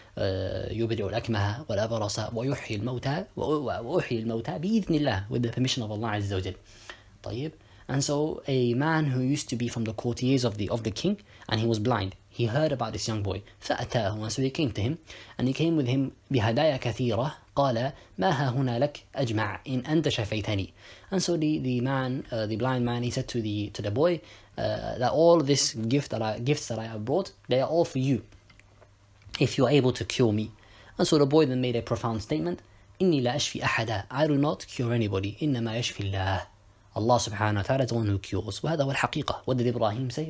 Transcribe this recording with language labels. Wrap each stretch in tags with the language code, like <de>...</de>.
<ar>يُبْرِعُ الْأَكْمَهَ وَالْأَبْرَصَ وَيُحْيِي الْمَوْتَى وَأُحْيِي الْمَوْتَى بِإِذْنِ اللَّهِ,</ar> <en>with the permission of Allah Azza wa Jal.</en> <ar>طيب.</ar> <en>And so a man who used to be from the courtiers of the king, and he was blind, he heard about this young boy.</en> <ar>فأتاه,</ar> <en>and so he came to him, and he came with him</en> <ar>بهدايا كثيرة. قال ما ها هنا لك أجمع إن أنت شفيتني.</ar> <en>And so the blind man, he said to the boy, that all this gifts that I have brought, they are all for you, if you are able to cure me. And so the boy then made a profound statement.</en> <ar>إني لا أشفي أحدا.</ar> <en>I do not cure anybody.</en> <ar>إنما يشفي الله.</ar> <en>Allah subhanahu wa ta'ala is the one who cures.</en> <ar>وهذا هو الحقيقة.</ar> <en>What did Ibrahim say?</en>